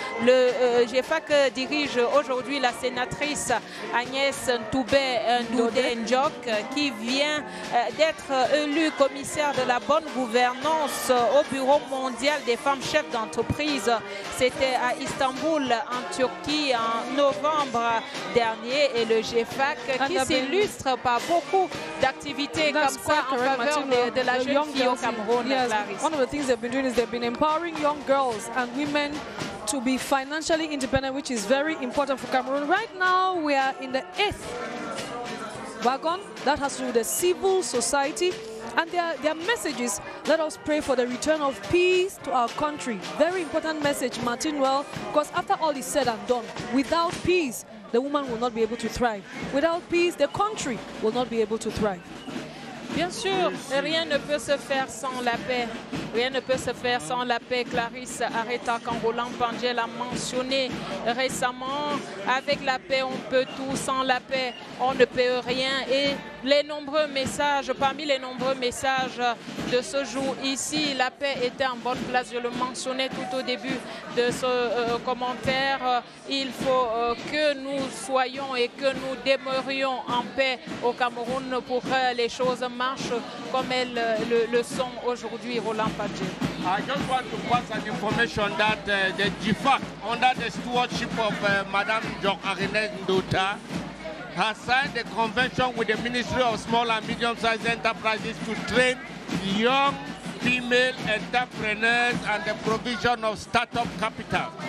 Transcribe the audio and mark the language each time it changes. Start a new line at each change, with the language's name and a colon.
French: Le GFAC dirige aujourd'hui la sénatrice Agnès Ntoubet-Ndoudé-Ndjok qui vient d'être élue commissaire de la bonne gouvernance au Bureau mondial des femmes chefs d'entreprise. C'était à Istanbul, en Turquie, en novembre dernier. Et le GFAC qui s'illustre par beaucoup d'activités comme ça en faveur de la jeune fille au Cameroun.
English: Yes, one of the things they've been doing is they've been empowering young girls and women to be financially independent, which is very important for Cameroon. Right now, we are in the 8th wagon. That has to do with the civil society. And their message is, let us pray for the return of peace to our country. Very important message, Martin Well, because after all is said and done, without peace, the woman will not be able to thrive. Without peace, the country will not be able to thrive.
French: Bien sûr, rien ne peut se faire sans la paix. Rien ne peut se faire sans la paix. Clarisse Areta Kangolan Pangel a mentionné récemment, avec la paix, on peut tout. Sans la paix, on ne peut rien. Et les nombreux messages, parmi les nombreux messages de ce jour ici, la paix était en bonne place. Je le mentionnais tout au début de ce commentaire. Il faut que nous soyons et que nous demeurions en paix au Cameroun pour que les choses marche comme elles le sont aujourd'hui, Roland Pagé.
English: I just want to pass an information that the GFAC, under the stewardship of Madame Jean-Arinez Ndota, has signed a convention with the Ministry of Small and Medium-Sized Enterprises to train young female entrepreneurs and the provision of startup capital.